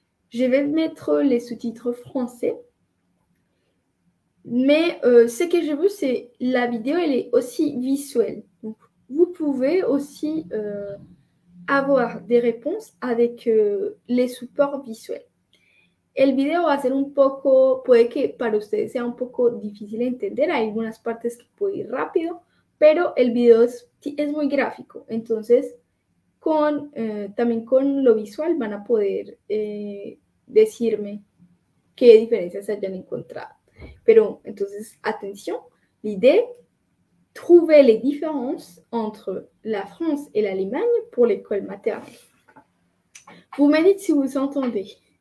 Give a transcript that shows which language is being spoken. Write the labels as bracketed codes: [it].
[fr] Je vais mettre les sous-titres français. Mais ce que j'ai vu, c'est la vidéo, elle est aussi visuelle. Donc, vous pouvez aussi avoir des réponses avec les supports visuels. [es] El video va a ser un poco, puede que para ustedes sea un poco difícil de entender. Hay algunas partes que puede ir rápido, pero el video es muy gráfico. Entonces, también con lo visual van a poder decirme qué diferencias hayan encontrado. Pero entonces, atención, [fr] l'idée, trouver les différences entre la France et l'Allemagne pour l'école maternelle. Vous me dites si vous entendez.